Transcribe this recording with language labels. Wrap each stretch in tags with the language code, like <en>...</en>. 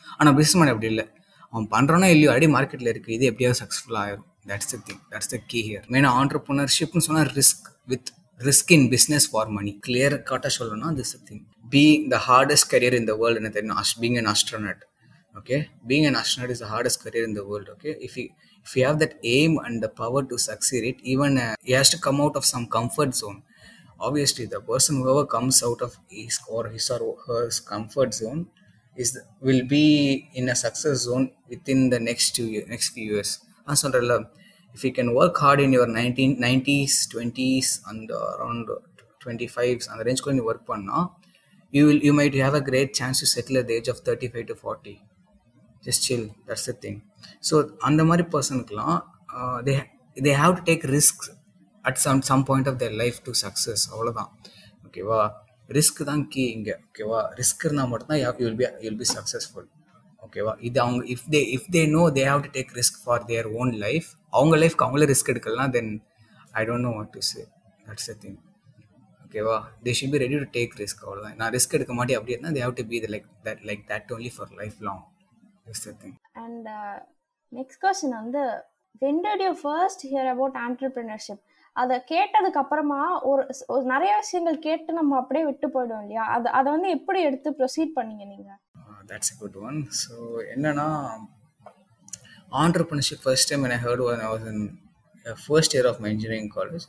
<ta>ஆனால் business man அப்படி இல்லை, அவன் பண்ணுறோன்னா இல்லையோ அடி மார்க்கெட்டில் இருக்குது, இது எப்படியாவது சக்ஸஸ்ஃபுல் ஆயிரும்.</ta> <en>That's the thing, that's the key here.</en> <ta>மெயினாக ஆண்டர்ப்ரனர்ஷிப்னு சொன்னால்</ta> <en>Risk with risk in business for money.</en> <ta>Clear கட்டாக சொல்லணும்னா</ta> <en>this thing, being the hardest career in the world</en> <ta>என்ன தெரியும்,</ta> <en>Being an astronaut. Okay, being an astronaut is the hardest career in the world. Okay, if you If you have that aim and the power to succeed it, even he has to come out of some comfort zone. Obviously, the person whoever comes out of his or her comfort zone will be in a success zone within the next few years. I'm saying that if you can work hard in your 90s, 20s and around 25s and the range when you work on, you might have a great chance to settle at the age of 35 to 40. Just chill, that's the thing. So,</en> <ta>அந்த மாதிரி பர்சனுக்கெல்லாம்</ta> <en>they have to take risks at some point of their life to success.</en> <ta>அவ்வளோதான், ஓகேவா? Risk தான் key இங்கே, ஓகேவா? Risk இருந்தால் மட்டும்தான்</ta> <en>you'll be successful. ஓகேவா?</en> <ta>இது அவங்க</ta> <en>if they know they have to take risk for their own life,</en> <ta>அவங்க லைஃப்க்கு அவங்களே ரிஸ்க் எடுக்கலாம்,</ta> <en>then I don't know what to say. That's the thing. ஓகேவா? They should be ready to take risk. அவ்வளோதான்.</en> <ta>நான் ரிஸ்க் எடுக்க மாட்டேன் அப்படி இருந்தால்</ta> <en>they have to be like that only for life long. And next question on the, when did you first hear about entrepreneurship?</en> <ta>அதை கேட்டதுக்கு அப்புறமா ஒரு நிறைய விஷயங்கள் கேட்டு நம்ம அப்படியே விட்டு போயிடுவோம் இல்லையா, அது அதை வந்து எப்படி எடுத்து ப்ரொசீட் பண்ணீங்க நீங்கள்?</ta> <en>That's a good one. So என்னன்னா, entrepreneurship first time and I heard was I was in first year of my engineering college.</en>